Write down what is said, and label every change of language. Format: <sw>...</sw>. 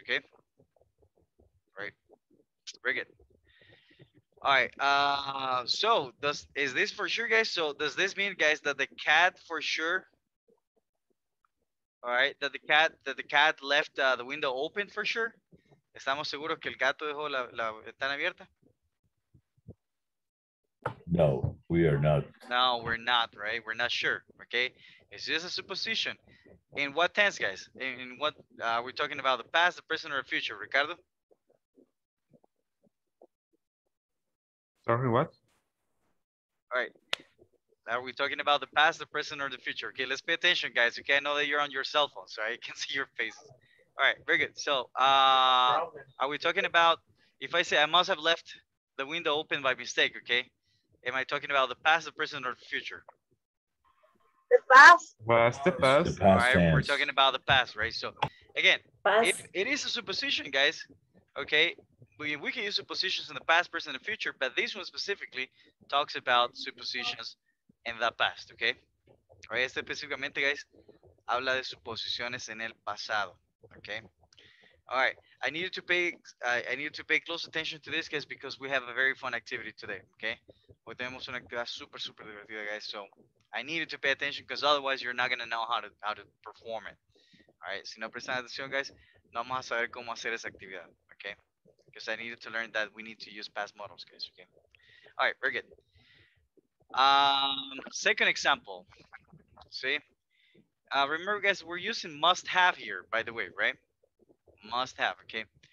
<en>Okay, right, very good. All right, so is this for sure, guys? So does this mean, guys, that the cat for sure? All right, that the cat left the window open for sure.</en> <es>¿Estamos seguros que el gato dejó la ventana abierta?</es> <en>No, we are not. No, we're not. Right, we're not sure. Okay. It's just a supposition. In what tense, guys? In what are we talking about? The past, the present, or the future? Ricardo? Sorry, what? All right. Are we talking about the past, the present, or the future? Okay, let's pay attention, guys. You can't know that you're on your cell phone, so I can see your face. All right, very good. So are we talking about, if I say I must have left the window open by mistake, okay? Am I talking about the past, the present, or the future? The past. All right, we're talking about the past, right? So again, if it is a supposition, guys, okay, we can use suppositions in the past, present, and future, but this one specifically talks about suppositions in the past, okay?</en> <es>All right, específicamente, guys, habla de suposiciones en el pasado, okay?</es> <en>All right, I need to pay close attention to this, guys, because we have a very fun activity today, okay?</en> <es>Hoy tenemos una actividad super, super divertida,</es> <en>guys, so I needed to pay attention because otherwise you're not going to know how to perform it. All right.</en> <es>Si no prestan atención, guys, no vamos a saber cómo hacer esa actividad.</es> <en>Okay. Because I needed to learn that we need to use past modals, guys. Okay. All right. Very good. Second example. See? Remember, guys, we're using must have here, by the way, right? Must have. Okay.</en>